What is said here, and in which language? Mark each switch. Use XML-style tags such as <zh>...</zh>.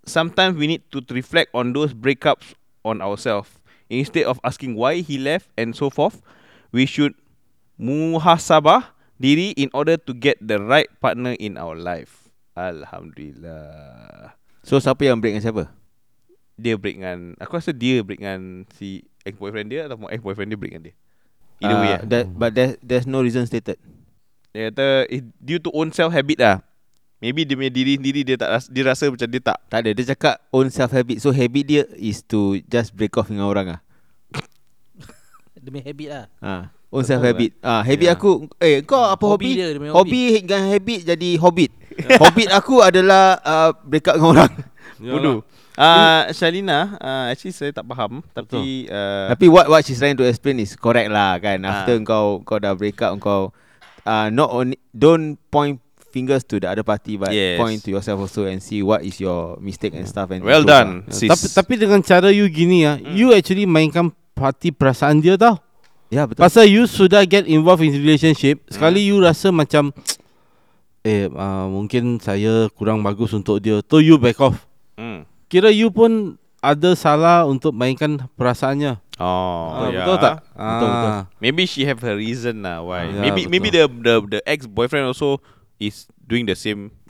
<en>Sometimes we need to reflect on those breakups on ourselves. Instead of asking why he left and so forth, we should</en> <ms>muhasabah diri</ms> <en>in order to get the right partner in our life.</en> <ms>Alhamdulillah. So siapa yang break dengan siapa? Dia break dengan, aku rasa dia break dengan si ex-boyfriend dia atau ex-boyfriend dia break dengan dia.</ms> <en>Either way</en> <ms>lah.</ms> <en>But there's no reason stated.</en> <ms>Dia kata</ms> <en>due to own self habit</en> <ms>lah. Maybe dia punya diri sendiri dia tak rasa, dia rasa macam dia tak. Tak ada, dia cakap own self habit. So habit dia</ms> <en>is to just break off</en> <ms>dengan orang lah. Demi habit lah.</ms> <en>Own self habit.</en> <ms>Habit aku, kau apa hobi? Hobi dengan habit jadi hobbit. Hobbit aku adalah break up dengan orang. Bodoh. Shalina, actually saya tak faham. Tapi</ms> <en>what she's trying to explain is correct lah kan. After</en> <ms>kau dah</ms> <en>break up, kau not only don't point fingers to the other party, but yes, point to yourself also and see what is your mistake and stuff. And well done, sis.</en> <ms>Tapi dengan cara you gini ya, you actually mainkan parti perasaan dia tau. Ya, yeah, betul. Pasal you sudah</ms> <en>get involved in relationship,</en> <ms>sekali you rasa macam mungkin saya kurang bagus untuk dia, so you back off. Kira you pun ada salah untuk mainkan perasaannya. Betul tak? Betul.</ms> <en>Maybe she have her reason lah why. Maybe the ex boyfriend also is doing the same.</en>